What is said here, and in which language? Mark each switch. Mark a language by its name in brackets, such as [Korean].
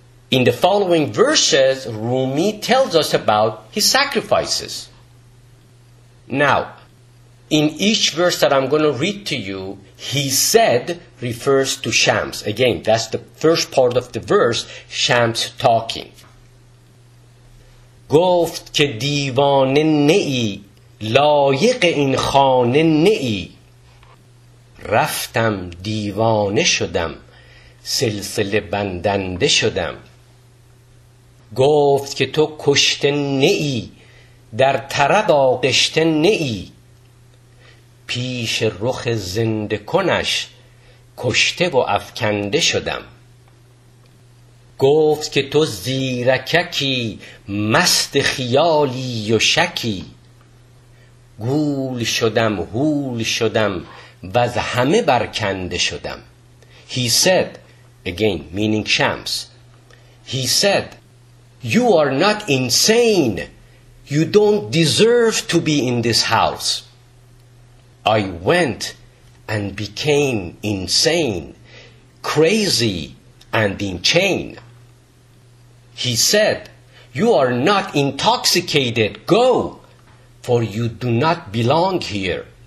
[English] In the following verses, Rumi tells us about his sacrifices. Now, in each verse that I'm going to read to you, he said refers to Shams. Again, that's the first part of the verse, Shams talking. [Persian] گفت که دیوانه نئی لایق این خانه نئی رفتم دیوانه شدم سلسله بندنده شدم گفت که تو کشته نئی در طرب آغشته نئی پیش رخ زنده کنش کشته و افکنده شدم گفت که تو زیرککی مست خیالی و شکی گول شدم هول شدم و از همه برکنده شدم [English] He said, again meaning Shams, He said, You are not insane. You don't deserve to be in this house. I went and became insane, crazy, and in chain. He said, You are not intoxicated, go, for you do not belong here.